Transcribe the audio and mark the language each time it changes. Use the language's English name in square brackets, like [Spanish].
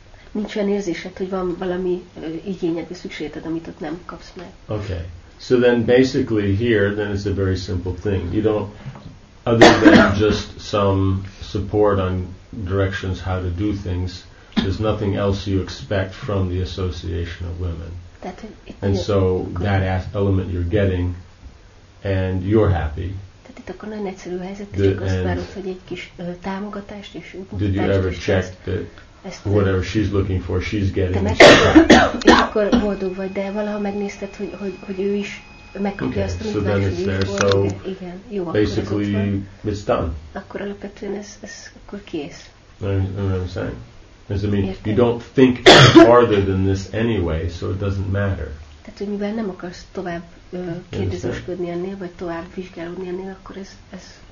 [Hungarian] Nincs olyan érzésed, hogy van valami igényed, vagy szükséged, amit ott nem kapsz meg. [English] Okay. So then basically here, then it's a very simple thing. You don't, other than just some support on directions how to do things, there's nothing else you expect from the Association of Women. That element you're getting, and you're happy. [Hungarian] Tehát itt akkor nagyon egyszerű helyzet, csak azt várod, hogy egy kis támogatást és útmutatást. [English] Did you ever check that? Whatever she's looking for, she's getting. [Hungarian] És akkor boldog vagy, de valaha megnézted, hogy ő is megkapja azt, amit vársz, hogy ő is boldog. Igen, jó, [English] basically, it's done. [Hungarian] Akkor alapvetően ez akkor kész. [English] Know what I'm saying? Because I mean, you don't think farther than this anyway, so it doesn't matter. [Hungarian] Tehát, hogy mivel nem akarsz tovább kérdezősködni ennél, vagy tovább vizsgálódni ennél, akkor ez